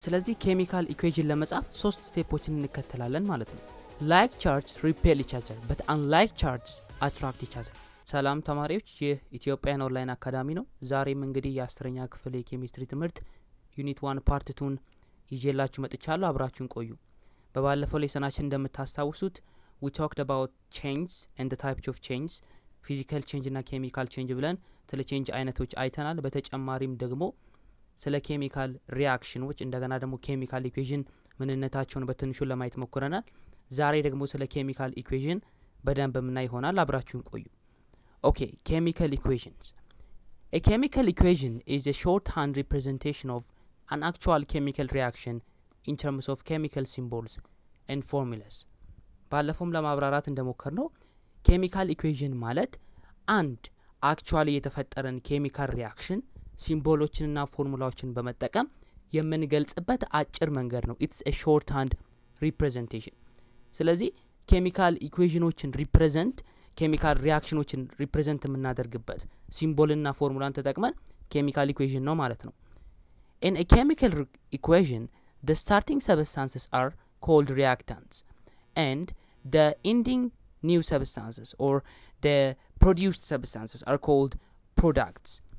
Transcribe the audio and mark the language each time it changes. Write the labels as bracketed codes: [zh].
[am] ስለዚህ ኬሚካል ኢኩዌሽን ለመጻፍ 3 ስቴፖችን እንከተላለን ማለት ነው። [en] Like charges repel each other, but unlike charges attract each other. [am] ሰላም ተማሪዎች የኢትዮጵያን ኦንላይን አካዳሚ ነው። ዛሬም እንግዲህ የ10ኛ ክፍል የኬሚስትሪ ትምህርት ዩኒት 1 ፓርት 2 ይዤላችሁ መጥቻለሁ። አብራችሁን ቆዩ። በባለፈው ሌሰናችን እንደምታስታውሱት [en] we talked about chains and the types of chains, physical change and chemical change [am] ብለን ስለ change አይነቶች አይተናል። በተጨማሪም ደግሞ ስለ ኬሚካል ሪአክሽኖች እንደገና ደግሞ ኬሚካል ኢኩዌሽን ምንነታቸውን በትንሹ ለማየት ሞክረናል። ዛሬ ደግሞ ስለ ኬሚካል ኢኩዌሽን በደንብ በመና ይሆናል። አብራችሁን ቆዩ። [en] ኦኬ ኬሚካል ኢኩዌሽንስ። A chemical equation is a shorthand representation of an actual chemical reaction in terms of chemical symbols and formulas. [am] ባለፈውም ለማብራራት እንደሞከርነው ኬሚካል ኢኩዌሽን ማለት አንድ አክቹአሊ የተፈጠረን ኬሚካል ሪአክሽን ሲምቦሎችንና ፎርሙላዎችን በመጠቀም የምንገልጽበት አጭር መንገድ ነው። [en] It's a shorthand representation. [am] ስለዚህ ኬሚካል ኢኩዌሽኖችን ሪፕሬዘንት ኬሚካል ሪአክሽኖችን ሪፕሬዘንት እናደርግበት ሲምቦልና ፎርሙላን ተጠቅመን ኬሚካል ኢኩዌሽን ነው ማለት ነው። [en] In a chemical equation, the starting substances are called reactants and the ending new substances or the produced substances are called products.